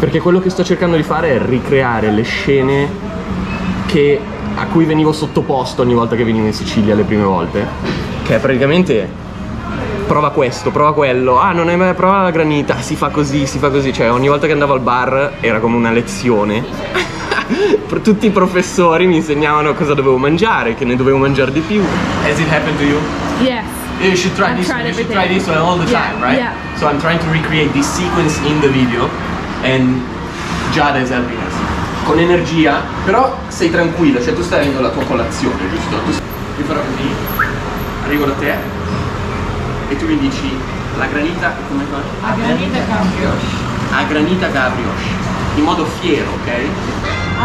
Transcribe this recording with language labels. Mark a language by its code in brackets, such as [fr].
[it] Perché quello che sto cercando di fare è ricreare le scene che, a cui venivo sottoposto ogni volta che venivo in Sicilia le prime volte. Che è praticamente... prova questo, prova quello, ah non è mai, prova la granita, si fa così, cioè ogni volta che andavo al bar era come una lezione. Tutti i professori mi insegnavano cosa dovevo mangiare, che ne dovevo mangiare di più. [en] Has it happened to you? Yes. You should try this, you should try this one all the time, yeah, right? Yeah. So I'm trying to recreate this sequence in the video and Giada is helping us. [it] Con energia, però sei tranquilla, cioè tu stai avendo la tua colazione, giusto? Io farò così, arrivo da te. E tu mi dici la granita come fa? A granita gabrioche. In modo fiero, ok?